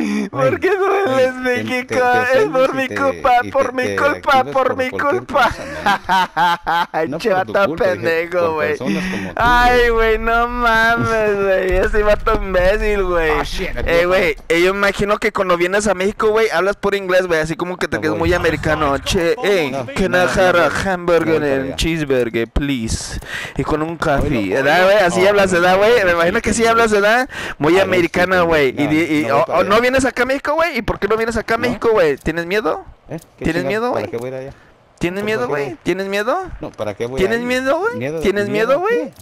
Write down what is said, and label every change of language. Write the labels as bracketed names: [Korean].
[Spanish] ¿Por qué dueles, México? Es por mi culpa, por mi culpa, por mi culpa. Che, vato pendejo, güey. Ay, güey, no mames, güey. Ese vato imbécil, güey. Ey, güey, yo imagino que cuando vienes a México, güey, hablas puro inglés, güey. Así como que te quedas muy americano. [English] Che, ey, can I have a hamburger and cheeseburger, please? [Spanish] Y con un café, ¿verdad, güey? Así hablas, ¿verdad, güey? Me imagino que sí hablas, ¿verdad? Muy americana, güey. ¿No vienes acá a México, güey? ¿Y por qué no vienes acá a México, güey? ¿Tienes miedo? ¿Tienes miedo, güey? ¿Para qué voy a ir allá? ¿Tienes miedo, güey? ¿Tienes miedo? No, ¿para qué voy a ir? ¿Tienes miedo, güey? ¿Tienes miedo, güey?